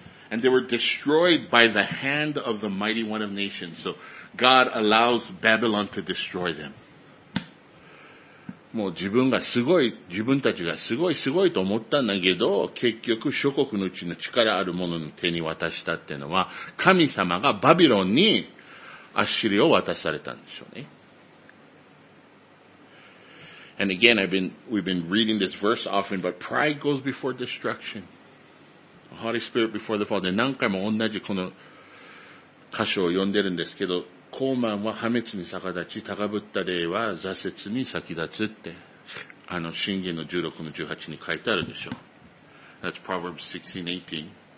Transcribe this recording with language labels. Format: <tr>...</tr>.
<en>And they were destroyed by the hand of the mighty one of nations. So God allows Babylon to destroy them.</en> <ja>もう自分がすごい、自分たちがすごいすごいと思ったんだけど、結局諸国のうちの力ある者の手に渡したっていうのは、神様がバビロンにアッシリアを渡されたんでしょうね。And</ja> <en>again, we've been reading this verse often, but pride goes before destruction. The Holy Spirit before the fall.</en> <ja>で、何回も同じこの箇所を読んでるんですけど、高慢は破滅に逆立ち、高ぶった霊は挫折に先立つって、あの、箴言の16の18に書いてあるでしょ。</ja> <en>That's Proverbs 16:18.</en>